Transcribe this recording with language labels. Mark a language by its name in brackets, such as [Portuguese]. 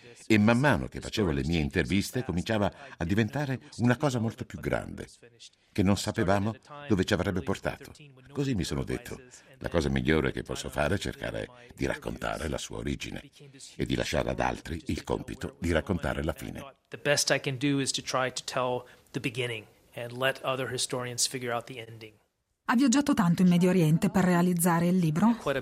[Italian] E man mano che facevo le mie interviste, cominciava a diventare una cosa molto più grande, che non sapevamo dove ci avrebbe portato. Così mi sono detto, la cosa migliore che posso fare è cercare di raccontare la sua origine e di lasciare ad altri il compito di raccontare la fine. [English] The best I can do is to try to tell the beginning and let other historians figure out the ending. [Italian] Ha viaggiato tanto in Medio Oriente per realizzare il libro?